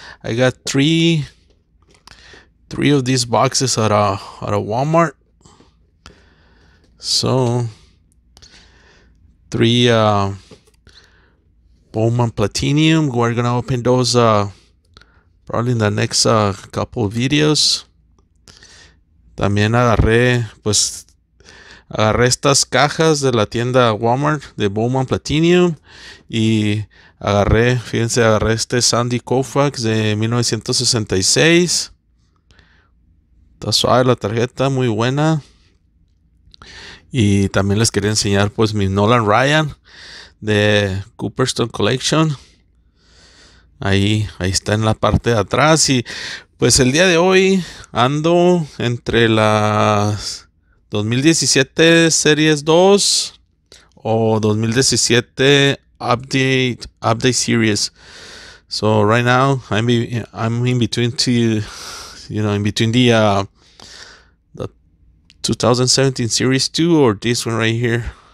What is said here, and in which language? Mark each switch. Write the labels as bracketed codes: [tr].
[en] I got three of these boxes at a Walmart. So, three Bowman Platinum. We're gonna open those probably in the next couple of videos. [es] También agarré estas cajas de la tienda Walmart de Bowman Platinum y agarré este Sandy Koufax de 1966. Está suave la tarjeta, muy buena. Y también les quería enseñar pues mi Nolan Ryan de Cooperstone Collection. Ahí está en la parte de atrás. Y pues el día de hoy ando entre las 2017 Series 2 o 2017 Update Series. [en] So right now I'm in between two, you know, in between the 2017 Series 2 or this one right here.